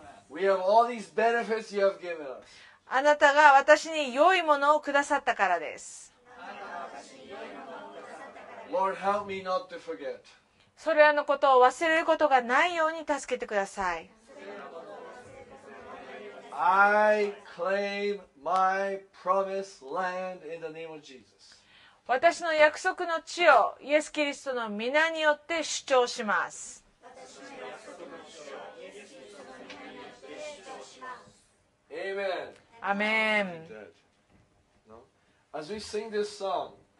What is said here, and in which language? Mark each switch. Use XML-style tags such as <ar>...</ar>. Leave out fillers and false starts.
<en>We have all these benefits you have given us.</en> <ja>あなたが私に良いものをくださったからです。</ja> <en>Lord, help me not to forget.</en> <ja>それらのことを忘れることがないように助けてください。</ja> <en>I claim my promised land in the name of Jesus.</en> <ja>私の約束の地をイエス・キリストの御名によって主張します。</ja> <en>Amen. Amen. As we sing this song,</en>